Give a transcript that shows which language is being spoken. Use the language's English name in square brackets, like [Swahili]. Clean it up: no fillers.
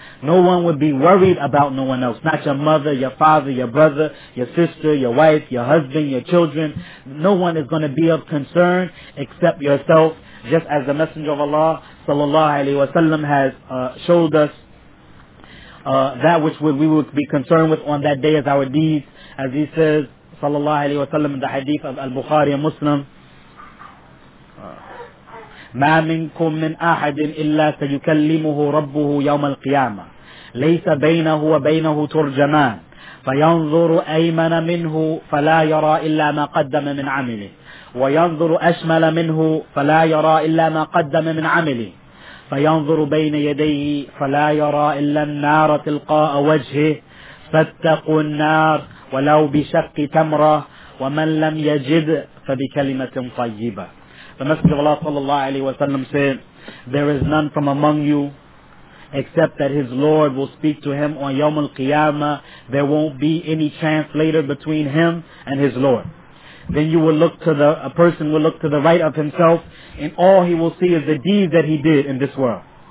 [English] No one would be worried about no one else. Not your mother, your father, your brother, your sister, your wife, your husband, your children. No one is going to be of concern except yourself, just as the Messenger of Allah sallallahu alayhi wa sallam has showed us that which we would be concerned with on that day is our deeds. As he says, sallallahu alayhi wa sallam, in the hadith of Al-Bukhari and Muslim, [Arabic] مَا مِنْكُمْ مِنْ أَحَدٍ إِلَّا سَيُكَلِّمُهُ رَبُّهُ يَوْمَ الْقِيَامَةِ لَيْسَ بَيْنَهُ وَبَيْنَهُ تُرْجَمَانَ فَيَنْظُرُ أَيْمَنَ مِنْهُ فَلَا يَرَى إِلَّا مَا قَدَّمَ مِنْ عَمِلِهِ وَيَنْظُرُ أَشْمَلَ مِنْهُ فَلَا يَرَى إِلَّا مَا قَدَّمَ مِنْ عَمِلِهِ فَيَنْظُرُ بَيْنَ يَدَيْهِ فَلَا يَرَى إِلَّا النَّارَ تِلْقَاءَ وَجْهِهِ فَاتَّقُوا النَّارَ وَلَوْ بِشَقِّ تَمْرَةٍ وَمَنْ لَمْ يَجِدْ فَبِكَلِمَةٍ طَيِّبَةٍ. [English] The Messenger of Allah sallallahu alayhi wa sallam said, there is none from among you except that his Lord will speak to him on Yawm al-Qiyamah. There won't be any translator between him and his Lord. Then you will look to the right of himself, and all he will see is the deeds that he did in this world.